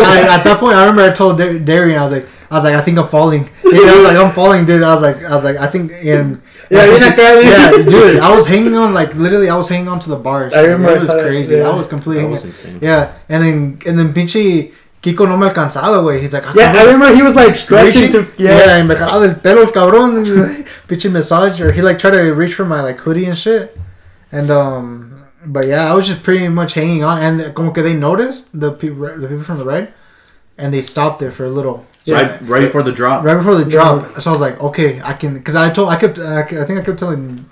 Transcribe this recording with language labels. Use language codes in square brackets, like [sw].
[en] At that point, I remember I told Darian, I was like, I think I'm falling. Yeah, I was like, I'm falling, dude. I was like, I think. And yeah, like, you're not there. Yeah, dude, I was hanging on, like, literally, I was hanging on to the bars. I remember. It was crazy. Yeah. I was completely. That was insane. Yeah, and then [es] pinche Kiko no me alcanzaba, güey. [en] He's like, yeah, I remember he was like stretching to. [es] Yeah, y me jalaba el pelo el cabrón. Pinche massage. [en] Or he like tried to reach for my like hoodie and shit. And, but yeah, I was just pretty much hanging on. And [es] como que [en] they noticed the people from the ride. And they stopped there for a little. Yeah. Right before the drop. Right before the drop. Yeah. So I was like, okay, I can. Because I kept telling.